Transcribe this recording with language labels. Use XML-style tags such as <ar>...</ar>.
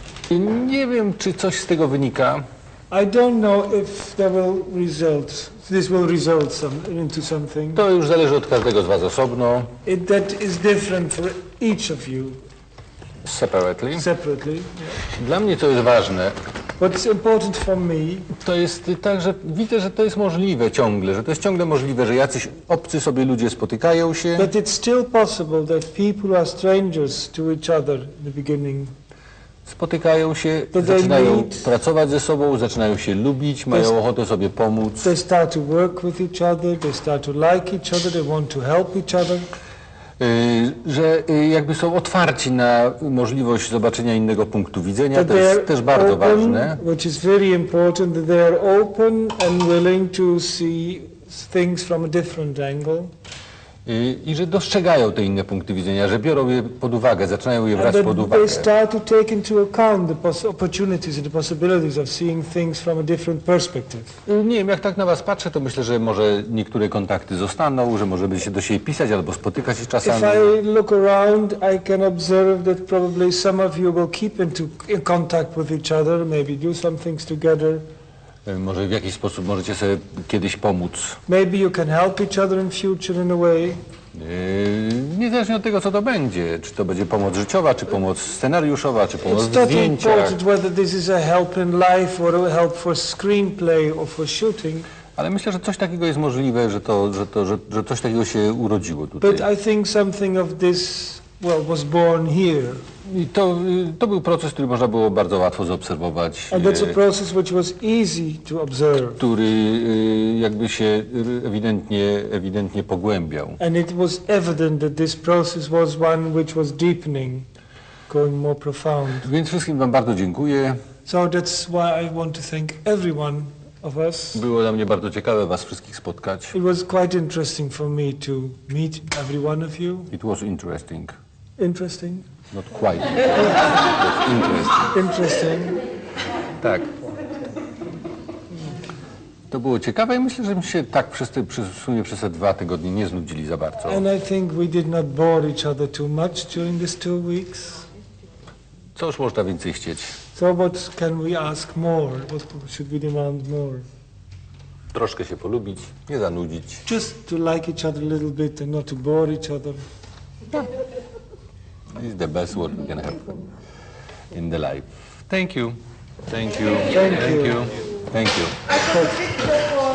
<pl>I nie wiem, czy coś z tego wynika.</pl> <en>I don't know if there will result. This will result some, into something.</en> <pl>To już zależy od każdego z was osobno.</pl> <en>It, that is different for each of you. Separately. Yeah.</en> <pl>Dla mnie to jest ważne.</pl> <en>What's important for me?</en> <pl>To jest tak, że widzę, że to jest możliwe ciągle, że to jest ciągle możliwe, że jacyś obcy sobie ludzie spotykają się.</pl> <en>But it's still possible that people are strangers to each other in the beginning.</en> <pl>Spotykają się, zaczynają pracować ze sobą, zaczynają się lubić, mają ochotę sobie pomóc.</pl> <en>They start to work with each other, they start to like each other, they want to help each other.</en> <pl>Że jakby są otwarci na możliwość zobaczenia innego punktu widzenia, to jest też bardzo ważne.</pl> <en>Which is very important, that they are open and willing to see things from a different angle.</en> <pl>I że dostrzegają te inne punkty widzenia, że biorą je pod uwagę, zaczynają je brać pod uwagę.</pl> <en>They start to take into account the opportunities and the possibilities of seeing things from a different perspective.</en> <pl>Nie wiem, jak tak na was patrzę, to myślę, że może niektóre kontakty zostaną, że może będzie się do siebie pisać albo spotykać się czasami.</pl> <en>If I look around, I can observe that probably some of you will keep in contact with each other, maybe do some things together.</en> <pl>Może w jakiś sposób możecie sobie kiedyś pomóc.</pl> <en>Maybe you can help each other in future in a way.</en> <pl>Niezależnie od tego, co to będzie, czy to będzie pomoc życiowa, czy pomoc scenariuszowa, czy pomoc w zdjęciach.</pl> <en>It's not important whether this is a help in life or a help for screenplay or for shooting.</en> <pl>Ale myślę, że coś takiego jest możliwe, że coś takiego się urodziło tutaj.</pl> <en>But I think something of this, well, was born here.</en> <pl>I to był proces, który można było bardzo łatwo zaobserwować.</pl> <en>And that's a process which was easy to observe.</en> <pl>Który jakby się ewidentnie pogłębiał.</pl> <en>And it was evident that this process was one which was deepening, going more profound.</en> <pl>Więc wszystkim wam bardzo dziękuję.</pl> <en>So that's why I want to thank everyone. Of us.</en> <pl>Było dla mnie bardzo ciekawe was wszystkich spotkać.</pl> <en>It was quite interesting for me to meet every one of you. It was interesting. Interesting? Not quite. Interesting. Interesting.</en> <pl>Tak. To było ciekawe i myślę, że my się tak przez te dwa tygodnie nie znudzili za bardzo.</pl> <en>And I think we did not bore each other too much during these 2 weeks.</en> <pl>Co już można więcej chcieć?</pl> <en>So what can we ask more? What should we demand more?</en> <pl>Troszkę się polubić, nie zanudzić.</pl> <en>Just to like each other a little bit and not to bore each other. This is the best word we can have in the life. Thank you. Thank you. Thank you. Thank you. Thank you. Thank you.</en>